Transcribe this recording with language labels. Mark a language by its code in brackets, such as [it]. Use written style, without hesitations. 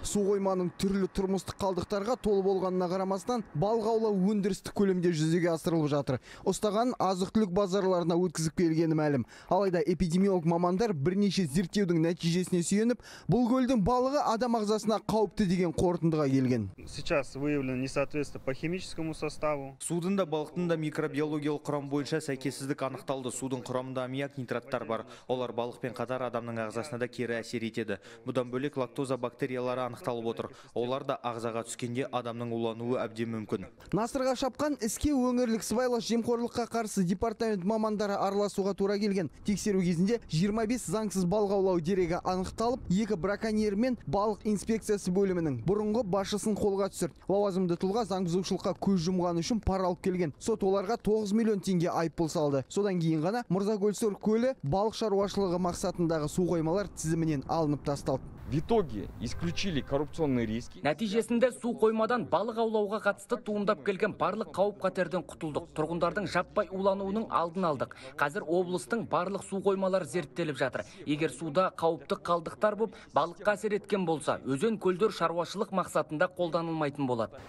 [kk] Су қойманың түрлі тұрмыстық қалдықтарға толы болғанына қарамастан, балғаулы өндірістік көлемде жүзеге асырылып жатыр. Ұстаған азық-түлік базарларына өткізіп келгені мәлім. Алайда эпидемиолог мамандар бірнеше зерттеудің нәтижесіне сүйеніп, бұл көлдің балығы адам ағзасына қауіпті деген қорытындыға келген. [ru] Сейчас выявлено несоответствие по химическому составу. [kk] Судың да балықтың да микробиологиялық құрам бойынша сәйкессіздік анықталды. Судың құрамында аммиак нитраттар бар. Олар балықпен қатар адамның ағзасына да кері әсер етеді. Бұдан бөлек лактоза бактериялары анықталып отыр. Олар да ағзаға түскенде адамның улануы әбден мүмкін. Насырға шапқан іске өңірлік сыбайлас жемқорлыққа қарсы департамент мамандары араласуға тура келген. Тексеру кезінде 25 заңсыз балық аулау дерегі анықталып, екі браконьер мен балық инспекциясы бөлімінің бұрынғы басшысын қолға түсірді. Лауазымды тұлға заң бұзушылыққа көз жұмғаны үшін пара алып келген. Сот оларға 9 миллион теңге айыппұл салды. Содан кейін ғана Мырзакөлсор көлі балық шаруашылығы мақсатындағы су қоймалар тізімінен алынып тасталды. [ru] В итоге исключили коррупционные риски. [kk] Нәтижесінде су қоймадан балық аулауға қатысты туындап келген барлық қауіп-қатерден құтылдық. Тұрғындардың жаппай улануының алдын алдық. Қазір облыстың барлық су қоймалары зерттеліп жатыр. Егер суда қауіпті қалдықтар боп, балыққа әсер еткен болса, өзен көлдер шаруашылық мақсатында қолданылмайтын болады.